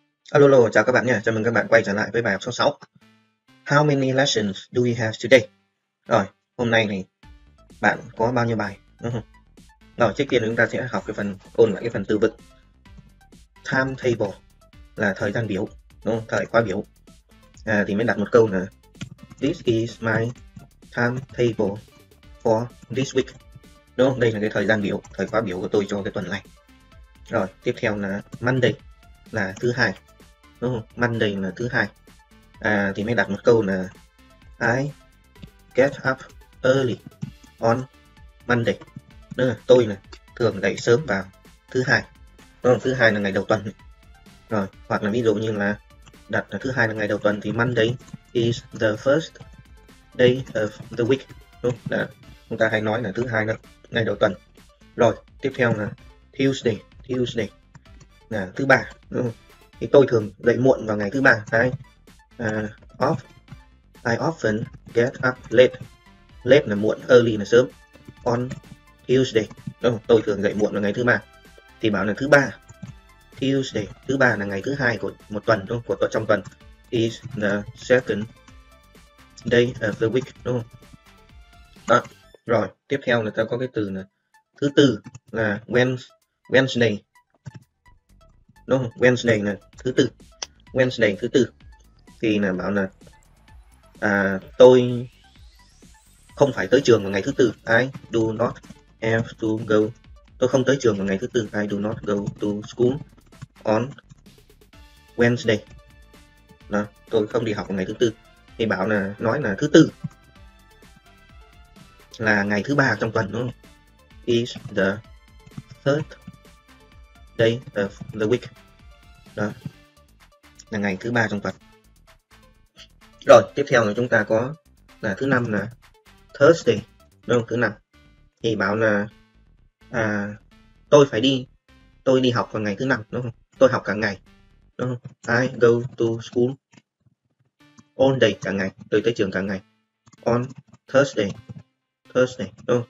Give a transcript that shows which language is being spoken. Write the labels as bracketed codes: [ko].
[vi] Alo, chào các bạn nha. Chào mừng các bạn quay trở lại với bài học số 6. [en] How many lessons do we have today? [vi] Rồi, hôm nay thì bạn có bao nhiêu bài? Đúng không? Rồi, trước tiên chúng ta sẽ học cái phần ôn lại cái phần từ vựng. Timetable là thời gian biểu, đúng không? Thời khóa biểu. Thì mới đặt một câu nữa. [en] This is my timetable for this week. [vi] Đúng không? Đây là cái thời gian biểu, thời khóa biểu của tôi cho cái tuần này. Rồi, tiếp theo là Monday là thứ hai. Đúng không? Monday là thứ hai. Thì mới đặt một câu là [en] I get up early on Monday. [vi] Đúng không? Tôi là thường dậy sớm vào thứ hai. Đúng không? Thứ hai là ngày đầu tuần. Rồi, hoặc là ví dụ như là đặt là thứ hai là ngày đầu tuần thì [en] Monday is the first day of the week. [vi] Đúng không? Đã. Chúng ta hay nói là thứ hai là ngày đầu tuần. Rồi, tiếp theo là Tuesday. Tuesday là thứ ba. Đúng không? Thì tôi thường dậy muộn vào ngày thứ ba. [en] I often get up late. Late [vi] là muộn, [en] early [vi] là sớm. [en] On Tuesday. [vi] Đúng, tôi thường dậy muộn vào ngày thứ ba. Thì bảo là thứ ba. Tuesday, thứ ba là ngày thứ hai của một tuần, đúng, của tuần trong tuần. [en] Is the second day of the week. [vi] Đúng. Đó. Rồi, tiếp theo là ta có cái từ là thứ tư là Wednesday. Đúng không? Wednesday là thứ tư. Wednesday thứ tư thì là bảo là tôi không phải tới trường vào ngày thứ tư. [en] I do not have to go. [vi] Tôi không tới trường vào ngày thứ tư. [en] I do not go to school on Wednesday. [vi] Đó, tôi không đi học vào ngày thứ tư. Thì bảo là nói là thứ tư là ngày thứ ba trong tuần, đúng không? [en] Is the third day of the week. [vi] Đó là ngày thứ ba trong tuần. Rồi tiếp theo là chúng ta có là thứ năm là Thursday, đúng không? Thứ năm thì bảo là tôi đi học vào ngày thứ năm, đúng không? Tôi học cả ngày, đúng không? [en] I go to school all day, [vi] cả ngày tôi tới trường cả ngày [en] on Thursday. [vi] Thursday, đúng không?